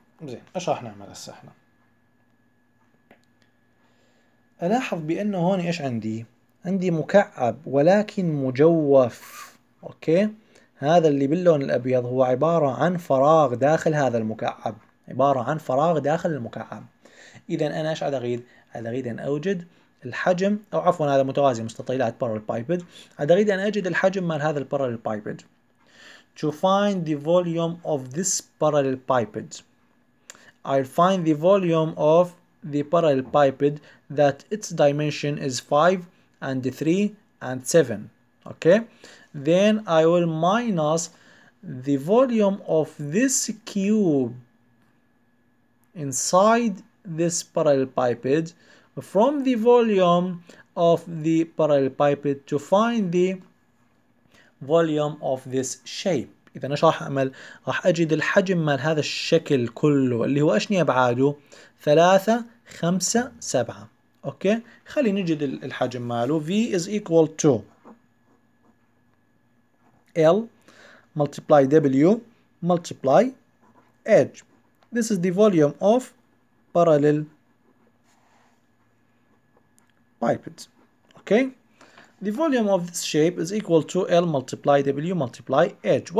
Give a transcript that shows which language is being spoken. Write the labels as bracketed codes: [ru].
[ar] زين، ايش راح نعمل هسه احنا؟ الاحظ بانه هون ايش عندي؟ عندي مكعب ولكن مجوف، اوكي؟ هذا اللي باللون الابيض هو عبارة عن فراغ داخل هذا المكعب، عبارة عن فراغ داخل المكعب. اذا انا ايش عاد اريد؟ عاد اريد ان اوجد الحجم، او عفوا هذا متوازي مستطيلات بارل بايبد، عاد اريد ان اجد الحجم مال هذا البارل بايبد. [en] To find the volume of this parallel biped, I'll find the volume of the parallel biped that its dimension is 5 and 3 and 7. Okay? Then I will minus the volume of this cube inside this parallel biped from the volume of the parallel biped to find the volume of this shape. [ar] إذا ايش راح أعمل؟ راح أجد الحجم مال هذا الشكل كله اللي هو أشني أبعاده؟ 3 5 7. أوكي؟ خلينا نجد الحجم ماله. [en] V is equal to L multiply W multiply H. This is the volume of parallel biped. Okay? The volume of this shape is equal to L multiply W multiply H.